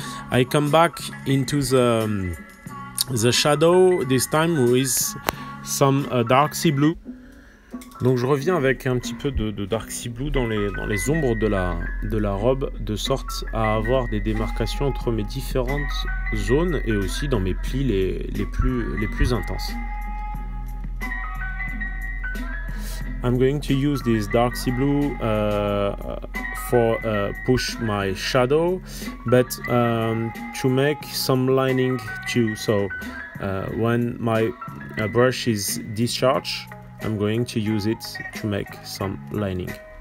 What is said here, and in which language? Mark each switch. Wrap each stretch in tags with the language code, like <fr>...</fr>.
<en>I come back into the shadow this time with some dark sea blue.</en> <fr>Donc je reviens avec un petit peu de dark sea blue dans les ombres de la robe, de sorte à avoir des démarcations entre mes différentes zones et aussi dans mes plis les plus intenses.</fr> <en>I'm going to use this dark sea blue for push my shadow, but to make some lining too. So when my brush is discharged, I'm going to use it to make some lining.</en>